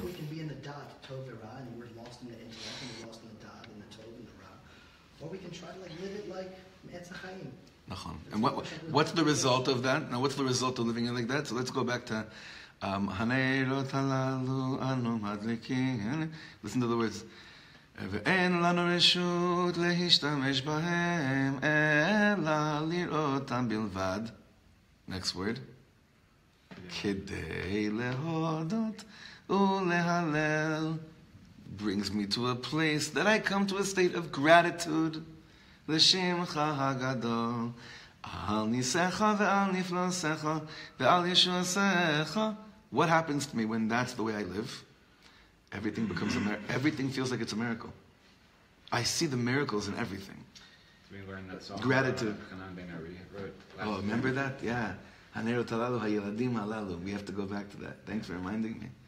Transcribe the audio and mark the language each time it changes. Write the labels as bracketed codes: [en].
[en] We can be in the dot, tov and ra, and we're lost in the intellect, and we're lost in the dot, and the tov and the ra. Or we can try to like live it like Me'etzah Chaim. [he] Nachon. [en] And what's the result of that? Now, what's the result of living it like that? So let's go back to [he] Hanerot halalu anu madlikin. [en] Listen to the words. [he] ואין לנו רשות להשתמש בהם, אלא לראותם בלבד. [en] Next word. [he] כדי להודות ולהלל. [en] Brings me to a place that I come to a state of gratitude. [he] לשמך הגדול. על ניסך ועל נפלוסך ועל ישועסך. [en] What happens to me when that's the way I live? Everything becomes a miracle. Everything feels like it's a miracle. I see the miracles in everything. We learned that song. Gratitude. Oh, remember that? Yeah. [he] Hanerot halalu hayiladim halalu. [en] We have to go back to that. Thanks for reminding me.